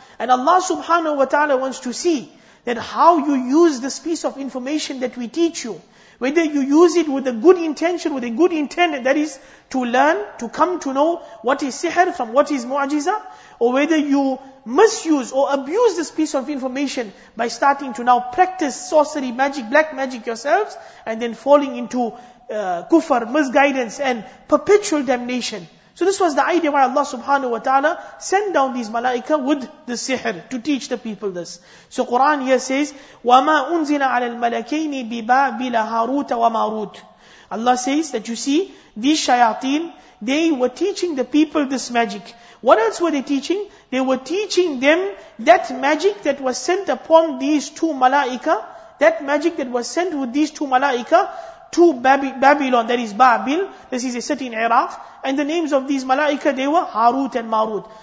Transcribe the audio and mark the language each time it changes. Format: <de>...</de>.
<en>And Allah subhanahu wa ta'ala wants to see that how you use this piece of information that we teach you, whether you use it with a good intention, with a good intent, that is to learn, to come to know what is sihr from what is mu'ajiza, or whether you misuse or abuse this piece of information by starting to now practice sorcery, magic, black magic yourselves, and then falling into kufr, misguidance, and perpetual damnation. So this was the idea why Allah subhanahu wa ta'ala sent down these malaika with the sihr to teach the people this. So Quran here says,</en> <ar>وَمَا أُنزِلَ عَلَى الْمَلَكَيْنِ بِبَابِلَ هَارُوتَ وَمَارُوتَ.</ar> <en>Allah says that you see, these shayateen, they were teaching the people this magic. What else were they teaching? They were teaching them that magic that was sent upon these two malaika, that magic that was sent with these two malaika to Babylon, that is Babil, this is a city in Iraq, and the names of these malaika, they were Harut and Marut.</en>